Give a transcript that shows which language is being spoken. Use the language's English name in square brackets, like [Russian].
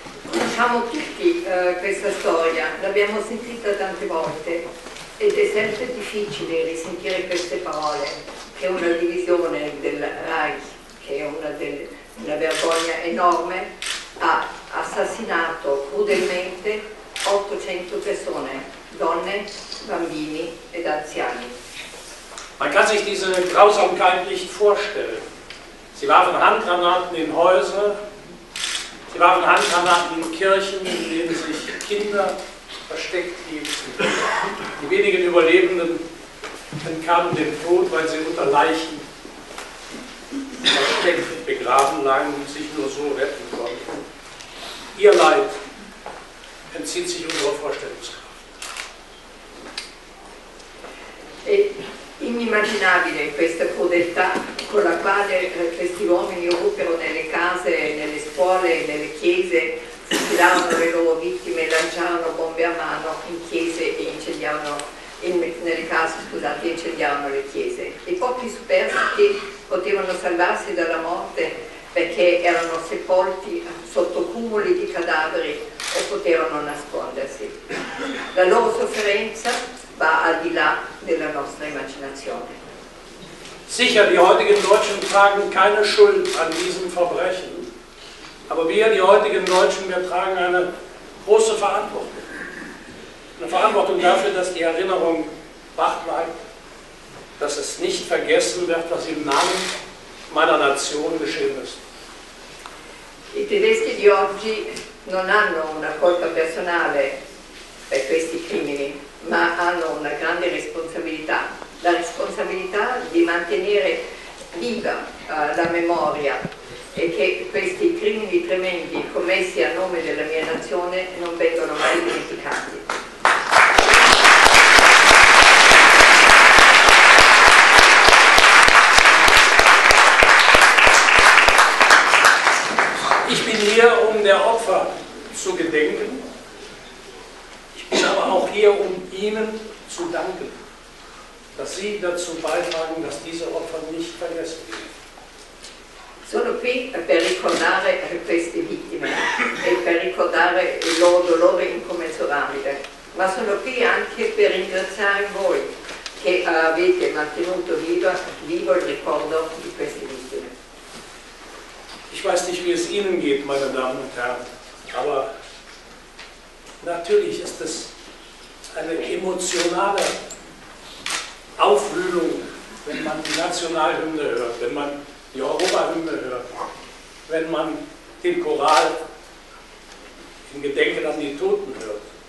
[Italian] Conosciamo tutti questa storia, l'abbiamo sentita tante volte ed è sempre difficile risentire queste parole, che è una divisione del Reich, che è una vergogna enorme, ha assassinato crudelmente 800 persone, donne, bambini ed anziani. [German] Man kann sich diese Grausamkeit nicht vorstellen. Sie warfen Handgranaten in Häuser, sie warfen Handgranaten in Kirchen, in denen sich Kinder versteckt hielten. Die wenigen Überlebenden entkamen dem Tod, weil sie unter Leichen versteckt und begraben lagen und sich nur so retten konnten. Ihr Leid entzieht sich unserer Vorstellungskraft. [Italian] È inimmaginabile questa crudeltà con la quale questi uomini ruppero nelle case, nelle scuole, nelle chiese, fucilavano le loro vittime, lanciavano bombe a mano in chiese e incendiavano incendiavano le chiese. I pochi superstiti potevano salvarsi dalla morte perché erano sepolti sotto cumuli di cadaveri o potevano nascondersi. La loro sofferenza va al di là della nostra immaginazione. [German] Sicher, die heutigen Deutschen tragen keine Schuld an diesem Verbrechen, aber wir, die heutigen Deutschen, wir tragen eine große Verantwortung. Eine Verantwortung dafür, dass die Erinnerung wach bleibt, dass es nicht vergessen wird, was im Namen meiner Nation geschehen ist. [Italian] I tedeschi di oggi non hanno una colpa personale per questi crimini, ma hanno una grande responsabilità, la responsabilità di mantenere viva la memoria e che questi crimini tremendi commessi a nome della mia nazione non vengano mai dimenticati. [German] Ich bin hier, um der Opfer zu gedenken. Ich bin aber auch hier, um Ihnen zu danken, dass Sie dazu beitragen, dass diese Opfer nicht vergessen werden. [Italian] Sono qui per ricordare queste vittime e per ricordare il loro dolore incommensurabile, ma sono qui anche per ringraziare voi che avete mantenuto vivo il ricordo di queste vittime. [German] Ich weiß nicht, wie es Ihnen geht, meine Damen und Herren, aber natürlich ist es eine emotionale Aufwühlung, wenn man die Nationalhymne hört, wenn man die Europahymne hört, wenn man den Choral im Gedenken an die Toten hört.